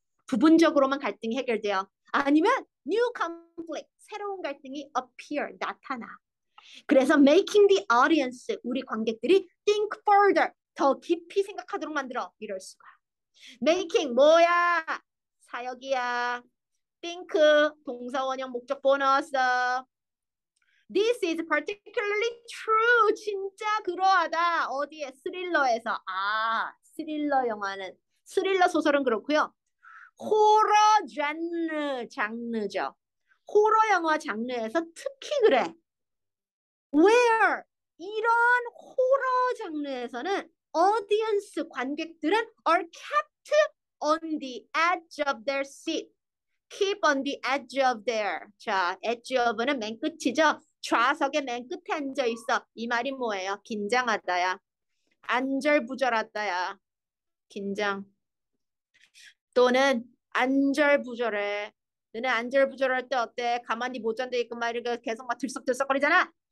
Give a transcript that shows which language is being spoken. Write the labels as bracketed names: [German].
[Korean] 부분적으로만 갈등이 해결돼요. 아니면 [English] new conflict [Korean] 새로운 갈등이 [English] appear [Korean] 나타나. 그래서 [English] making the audience [Korean] 우리 관객들이 [English] think further [Korean] 더 깊이 생각하도록 만들어 이럴 수가. making 뭐야? 사역이야. think 동사원형 목적 보너스. [English] This is particularly true [Korean] 진짜 그러하다. 어디에? 스릴러에서. 스릴러 영화는 스릴러 소설은 그렇고요. 호러 장르, 장르죠. 호러 영화 장르에서 특히 그래. [English] Where? [Korean] 이런 호러 장르에서는 [English] audience [Korean] 관객들은 [English] are kept on the edge of their seat. Keep on the edge of their. [Korean] 자, edge of는 맨 끝이죠. 좌석의 맨 끝에 앉아 있어. 이 말이 뭐예요? 긴장하다야. 안절부절하다야. 긴장. 또는 안절부절해. 너네 안절부절할 때 어때? 가만히 못 잔다니까 막 이렇게 계속 막 들썩들썩거리잖아.